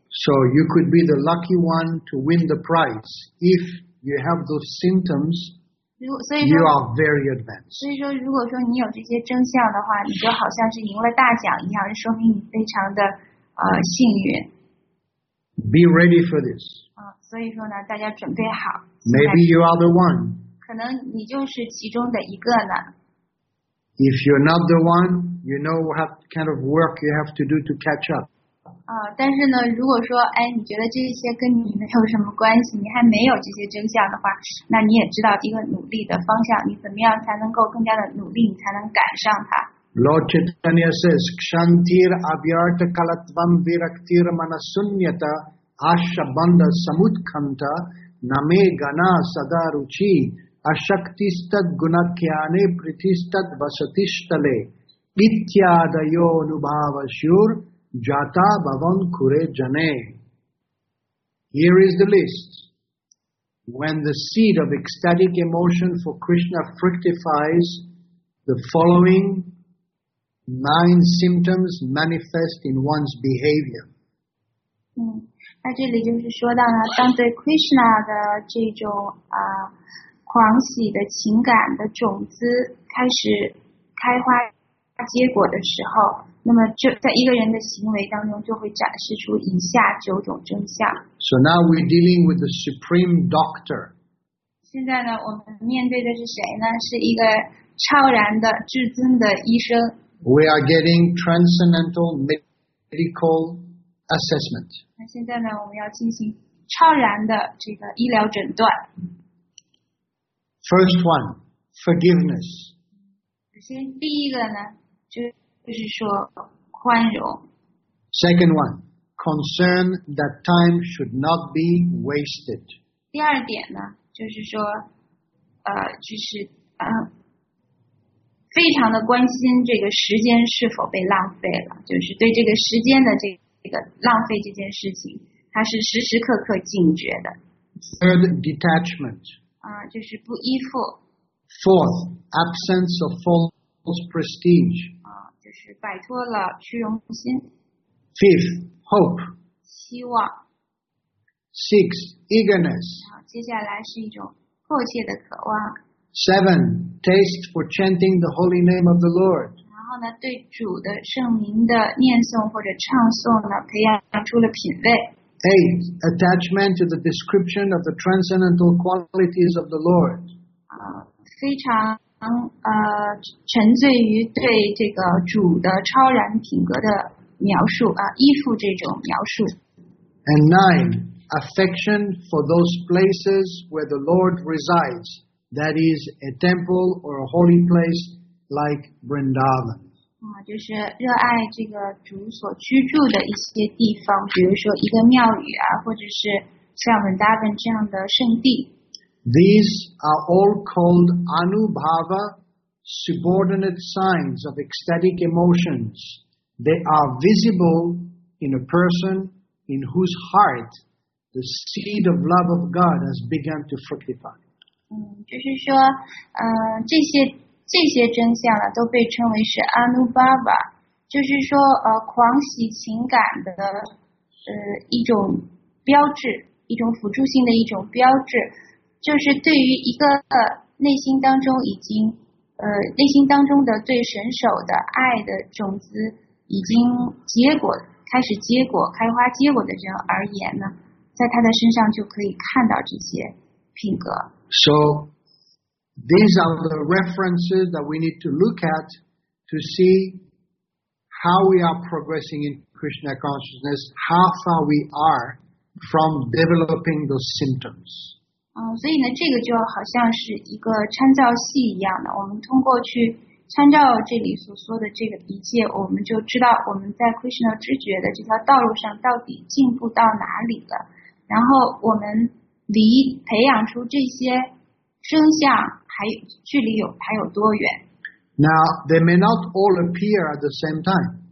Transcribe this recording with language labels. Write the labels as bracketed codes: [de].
[en] So you could be the lucky one to win the prize if. You have those symptoms. You are very advanced. [zh] 所以说，如果说你有这些征象的话，你就好像是赢了大奖一样，说明你非常的幸运。 [en] Be ready for this. [zh] 所以说呢，大家准备好。 [en] Maybe you are the one. [zh] 可能你就是其中的一个呢。 [en] If you're not the one, you know what kind of work you have to do to catch up. [zh] 但是呢，如果说你觉得这些跟你没有什么关系，你还没有这些征象的话，那你也知道一个努力的方向，你怎么样才能够更加的努力，你才能赶上它。 [en] Lord Chaitanya says, [sa] "Kshantir abhyarta kalatvam viraktir manasunyata ashabanda samutkanta name gana sadaruchi ashaktistad gunakyane pritistad vasatishtale ityadayo nubhavashur. Jata bhavan kure jane. [en] Here is the list. When the seed of ecstatic emotion for Krishna fructifies, the following 9 symptoms manifest in one's behavior. [zh] 那这里就是说到呢，当对 Krishna 的这种狂喜的情感的种子开始开花结果的时候。那么就在一个人的行为当中就会展示出以下九种征象。 [en] So now we're dealing with the supreme doctor. [zh] 现在呢我们面对的是谁呢？是一个超然的至尊的医生。 [en] We are getting transcendental medical assessment. [zh] 那现在呢我们要进行超然的这个医疗诊断。 [en] First one, forgiveness. [zh] 首先第一个呢就是说宽容。 [en] Second one, concern that time should not be wasted. [zh] 第二点呢，就是说，就是非常的关心这个时间是否被浪费了，就是对这个时间的这个浪费这件事情，他是时时刻刻警觉的。 [en] Third, detachment. [zh] 就是不依附。 [en] Fourth, absence of false prestige. [zh] 就是摆脱了虚荣心。 [en] Fifth, hope. [zh] 希望。 [en] Sixth, eagerness. [zh] 接下来是一种迫切的渴望。 [en] Seven, taste for chanting the holy name of the Lord. [zh] 然后呢，对主的圣名的念诵或者唱诵呢，培养出了品味。 [en] Eight, attachment to the description of the transcendental qualities of the Lord. [zh] 非常沉醉于对这个主的超然品格的描述啊，依附这种描述。 [en] And nine, affection for those places where the Lord resides. That is a temple or a holy place like Vrindavan. [zh] 就是热爱这个主所居住的一些地方，比如说一个庙宇啊，或者是像 Vrindavan 这样的圣地。 [en] These are all called anubhava, subordinate signs of ecstatic emotions. They are visible in a person in whose heart the seed of love of God has begun to fructify. [zh] 就是说，这些真相呢，都被称为是 anubhava， 就是说，狂喜情感的一种标志，一种辅助性的一种标志。就是对于一个内心当中已经内心当中的对神手的爱的种子已经结果开始结果开花结果的人而言呢，在他的身上就可以看到这些品格。 [en] So these are the references that we need to look at to see how we are progressing in Krishna consciousness, how far we are from developing those symptoms. [zh] 所以呢，这个就好像是一个参照系一样的。我们通过去参照这里所说的这个一切，我们就知道我们在 Krishna 知觉的这条道路上到底进步到哪里了。然后我们离培养出这些声像还距离有还有多远 [en] ？Now they may not all appear at the same time.